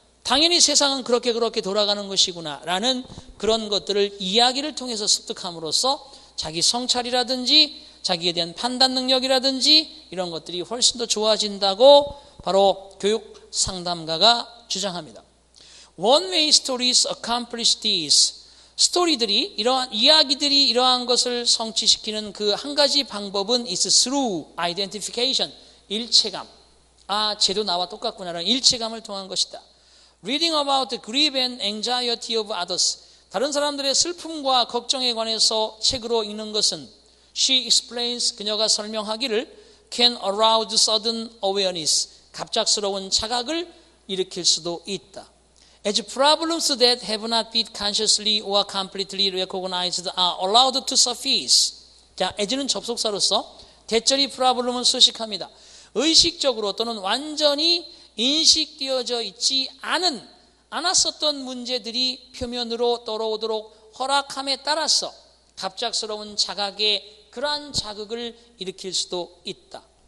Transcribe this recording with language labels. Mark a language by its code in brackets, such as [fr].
[ko] 당연히 세상은 그렇게 돌아가는 것이구나 라는 그런 것들을 이야기를 통해서 습득함으로써 자기 성찰이라든지 자기에 대한 판단 능력이라든지 이런 것들이 훨씬 더 좋아진다고 바로 교육 상담가가 주장합니다. [en] One way stories accomplish this. [ko] 스토리들이 이러한 이야기들이 이러한 것을 성취시키는 그 한 가지 방법은 [en] is through identification, [ko] 일체감. 아, 쟤도 나와 똑같구나 라는 일체감을 통한 것이다. [en] Reading about the grief and anxiety of others. [ko] 다른 사람들의 슬픔과 걱정에 관해서 책으로 읽는 것은 [en] She explains, [ko] 그녀가 설명하기를 [en] Can arouse sudden awareness. [ko] 갑작스러운 자각을 일으킬 수도 있다. [en] As problems that have not been consciously or completely recognized are allowed to surface. [ko] 자, as는 접속사로서 대절이 problem을 수식합니다. 의식적으로 또는 완전히 인식되어져 있지 않은 않았었던 문제들이 표면으로 떠오르도록 허락함에 따라서 갑작스러운 자각에 그러한 자극을 일으킬 수도 있다.